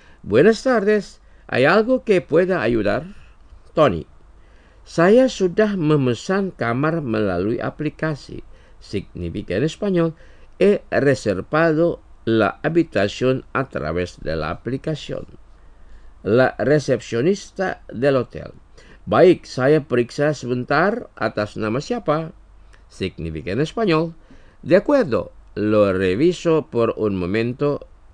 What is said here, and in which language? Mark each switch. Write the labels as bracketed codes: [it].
[es] Buenas tardes, ¿hay algo que pueda ayudar? Tony, [id] saya sudah memesan kamar melalui aplikasi, [es] significa en español. He reservado la habitación a través de la aplicación. La recepcionista del hotel. [id] Baik, saya periksa sebentar atas nama siapa. [es] Significa en español. De acuerdo, lo reviso por un momento.